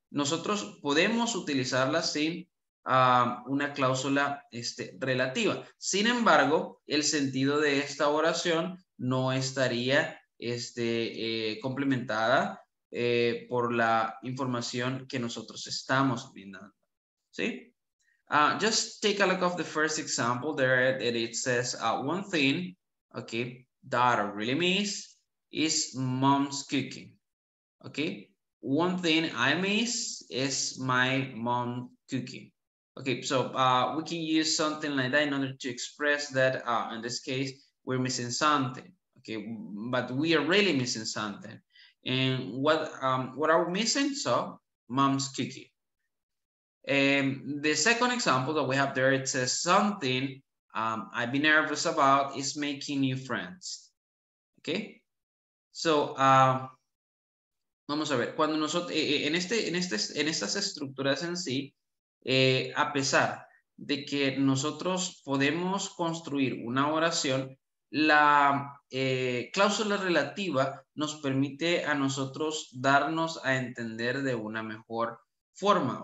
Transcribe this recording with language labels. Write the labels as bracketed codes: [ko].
[es] Nosotros podemos utilizarla sin una cláusula este, relativa. Sin embargo, el sentido de esta oración no estaría este, complementada por la información que nosotros estamos brindando. ¿Sí? [en] Just take a look of the first example there. And it says one thing, okay, that I really miss is mom's cooking. Okay? One thing I miss is my mom cooking. Okay, so we can use something like that in order to express that in this case, we're missing something. Okay, but we are really missing something. And what are we missing? So mom's cooking. The second example that we have there, it says something I'd be nervous about is making new friends. [es] Okay, so vamos a ver, cuando nosotros, en estas estructuras en sí, a pesar de que nosotros podemos construir una oración, la cláusula relativa nos permite a nosotros darnos a entender de una mejor forma.